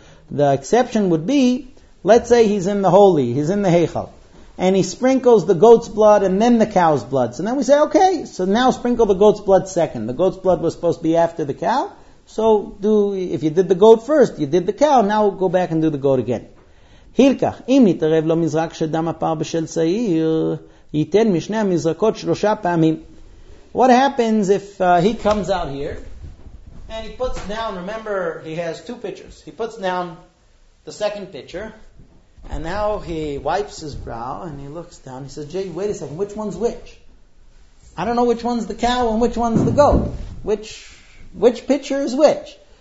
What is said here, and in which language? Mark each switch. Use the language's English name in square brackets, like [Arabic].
[English] The exception would be, let's say he's in the holy, he's in the heichal, and he sprinkles the goat's blood and then the cow's blood. So then we say, okay, so now sprinkle the goat's blood second. The goat's blood was supposed to be after the cow. So do if you did the goat first, you did the cow, now go back and do the goat again. [Hebrew] הילכך, אם יתערב לו מזרק של דם הפר בשל צעיר, ייתן משני המזרקות שלושה פעמים. [English] What happens if he comes out here, and he puts down, remember, he has two pitchers. He puts down the second pitcher, And now he wipes his brow and he looks down. He says, Jay, wait a second, which one's which? I don't know which one's the cow and which one's the goat. Which pitcher is which?